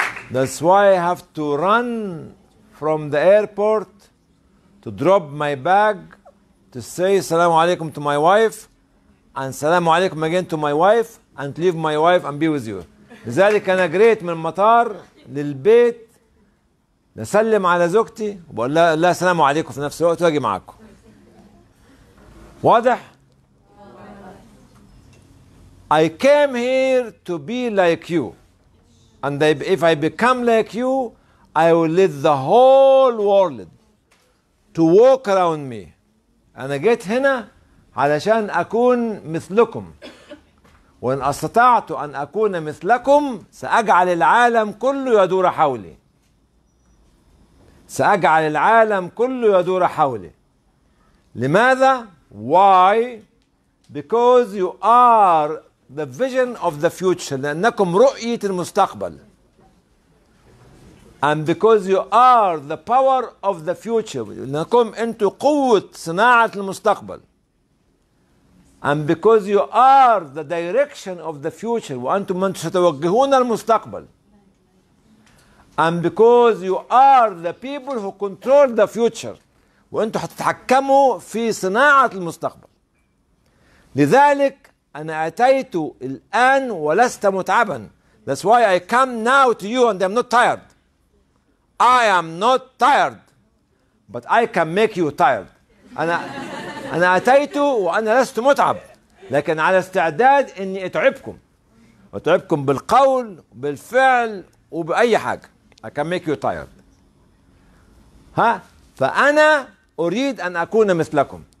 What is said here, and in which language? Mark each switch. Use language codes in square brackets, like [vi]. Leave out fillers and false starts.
[en] That's why I have to run from the airport to drop my bag to say salamu alaikum to my wife and salamu alaikum again to my wife and to leave my wife and be with you. [ar] لذلك انا جريت من المطار للبيت لسلم على زوجتي وبقول لها لا سلام عليكم في نفس الوقت واجي معاكم. واضح؟ [en] I came here to be like you. And if I become like you, I will lead the whole world to walk around me. [ar] أنا جيت هنا علشان أكون مثلكم. وإن استطعت أن أكون مثلكم سأجعل العالم كله يدور حولي. سأجعل العالم كله يدور حولي. لماذا؟ [en] Why? Because you are the vision of the future. [ar] لأنكم رؤية المستقبل. [en] And because you are the power of the future. [ar] لأنكم أنتم قوة صناعة المستقبل. [en] And because you are the direction of the future. [ar] وأنتم من ستوجهون المستقبل. [en] And because you are the people who control the future. [ar] وأنتم ستتحكموا في صناعة المستقبل. لذلك أنا أتيت الآن ولست متعبا. [en] That's why I come now to you and I'm not tired. I am not tired, but I can make you tired. [ar] أنا أتيت وأنا لست متعب، لكن على استعداد إني أتعبكم. أتعبكم بالقول، بالفعل، وبأي حاجة. [en] I can make you tired. [ar] ها؟ فأنا أريد أن أكون مثلكم.